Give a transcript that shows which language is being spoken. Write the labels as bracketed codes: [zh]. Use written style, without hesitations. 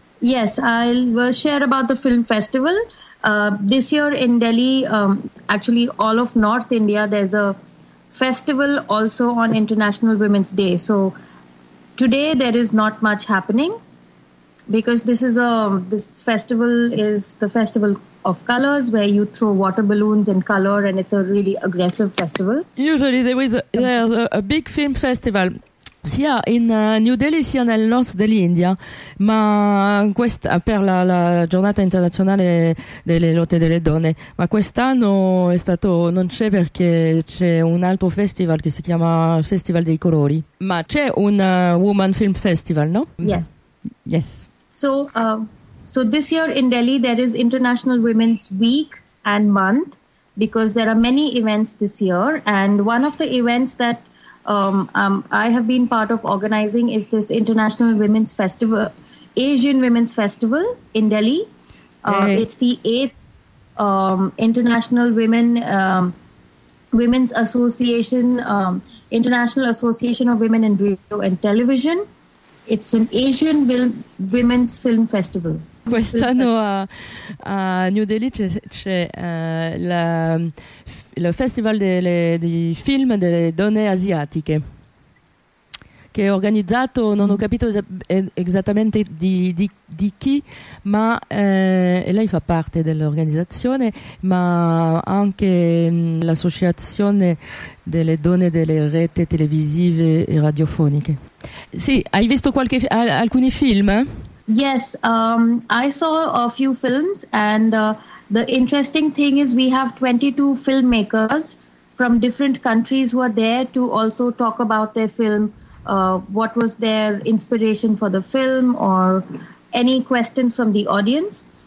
[en] Yes, I'll share about the film festival. This year in Delhi, actually all of North India, there's a festival also on International Women's Day. So today there is not much happening because this festival is the festival of colors where you throw water balloons and color, and it's a really aggressive festival. Usually there's a big film festival [it] sia in New Delhi sia nel nord dell'India, ma questa per la giornata internazionale delle lotte delle donne, ma quest'anno è stato non c'è perché c'è un altro festival che si chiama Festival dei Colori, ma c'è un Woman Film Festival, no? [en] Yes. Yes. So this year in Delhi, there is International Women's Week and Month because there are many events this year. And one of the events that I have been part of organizing is this International Women's Festival, Asian Women's Festival in Delhi. It's the eighth International Women's Association, International Association of Women in Radio and Television. It's an Asian Women's Film Festival. [it] Quest'anno a New Delhi c'è il Festival dei film delle donne asiatiche, che è organizzato, non ho capito esattamente di chi, ma lei fa parte dell'organizzazione, ma anche l'Associazione delle donne delle reti televisive e radiofoniche. Sì, hai visto alcuni film? Eh? [en] Yes, I saw a few films, and the interesting thing is we have 22 filmmakers from different countries who are there to also talk about their film, what was their inspiration for the film, or any questions from the audience.